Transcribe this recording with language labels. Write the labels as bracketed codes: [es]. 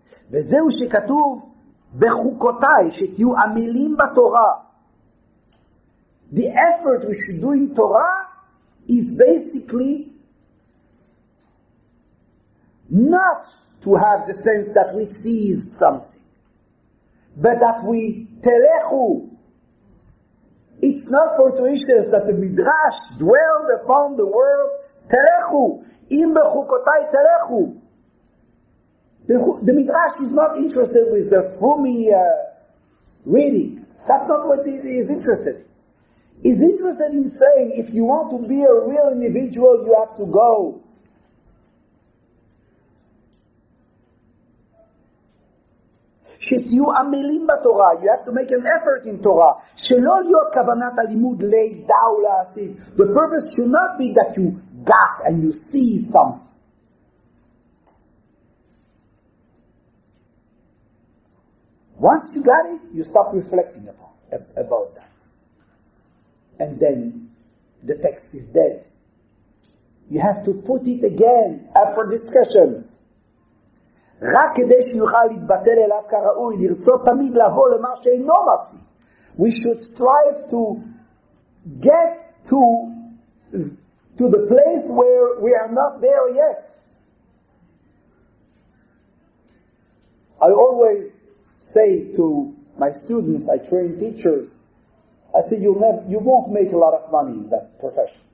[he] וזהו שכתוב בחוקותיי, שתהיו עמלים בתורה. [en] The effort we should do in Torah is basically not to have the sense that we seized something, but that we telechu. It's not fortuitous that the Midrash dwelled upon the word telechu. Im bechukotai telechu. The Midrash is not interested with the Fumi reading. That's not what it is interested in. He's interested in saying, if you want to be a real individual, you have to go. [he] שתהיו עמלים בתורה, [en] you have to make an effort in Torah. [he] שלא להיות כוונת הלימוד לידע ולעשות. [en] The purpose should not be that you got and you see something. Once you got it, you stop reflecting about that. And then the text is dead. You have to put it again up for discussion. [he] רק כדי שיוכל להתבטל אליו כראוי, לרצות תמיד לבוא למה שאינו מפי. [en] We should strive to get to the place where we are not there yet. I always say to my students, I train teachers, I say, you won't make a lot of money in that profession.